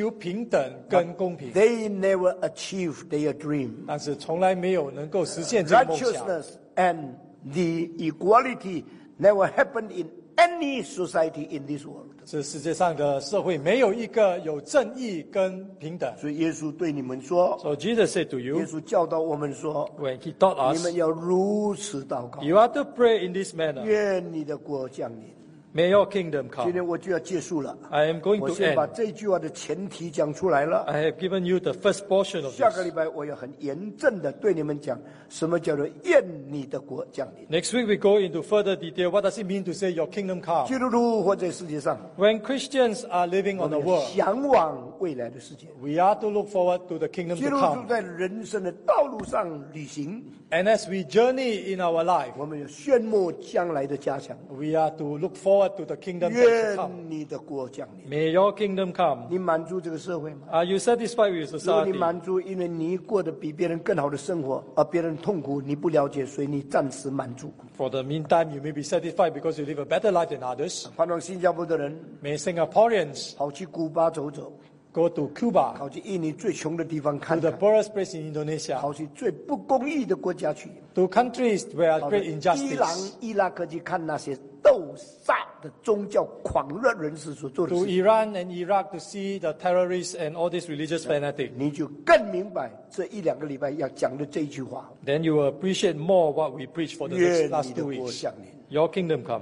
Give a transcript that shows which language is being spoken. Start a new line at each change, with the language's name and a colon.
Chinese: 所有的政府都宣称他们在寻求平等跟公平。
English: They never achieve their dream.
Chinese: 但是从来没有能够实现这个梦想。
English: Righteousness and the equality never happened in any society in this world.
Chinese: 这世界上的社会没有一个有正义跟平等。所以耶稣对你们说,
English: So Jesus said to you,
Chinese: 耶稣教导我们说,
English: When he taught us,
Chinese: 你们要如此祷告,
English: You are to pray in this manner.
Chinese: 愿你的国降临。
English: May your kingdom come.
Chinese: 今天我就要结束了。
English: I am going to end.
Chinese: 我先把这句话的前提讲出来了。
English: I have given you the first portion of this.
Chinese: 下个礼拜我要很严正地对你们讲, 什么叫做愿你的国降临。
English: Next week we go into further detail. What does it mean to say your kingdom come?
Chinese: 基督徒活在世界上,
English: when Christians are living on the world,
Chinese: 向往未来的世界,
English: we are to look forward to the kingdom to come.
Chinese: 基督徒在人生的道路上旅行,
English: and as we journey in our life,
Chinese: 我们要宣慕将来的家乡,
English: we are to look forward to the kingdom that come. May your kingdom come.
Chinese: 你满足这个社会吗?
English: Are you satisfied with society?
Chinese: 如果你满足因为你过得比别人更好的生活而别人痛苦你不了解所以你暂时满足。
English: For the meantime, you may be satisfied because you live a better life than others.
Chinese: 盼望新加坡的人,
English: may Singaporeans
Chinese: 跑去古巴走走,
English: go to Cuba,
Chinese: 跑去印尼最穷的地方看看,
English: to the poorest place in Indonesia,
Chinese: 跑去最不公义的国家去,
English: to countries where are great injustice,
Chinese: 伊朗伊拉克去看那些 斗杀的宗教狂热人士所做的事,
English: to Iran and Iraq to see the terrorists and all these religious fanatics,
Chinese: 你就更明白这一两个礼拜要讲的这句话。
English: Then you will appreciate more what we preach for the last 2 weeks. Your kingdom come.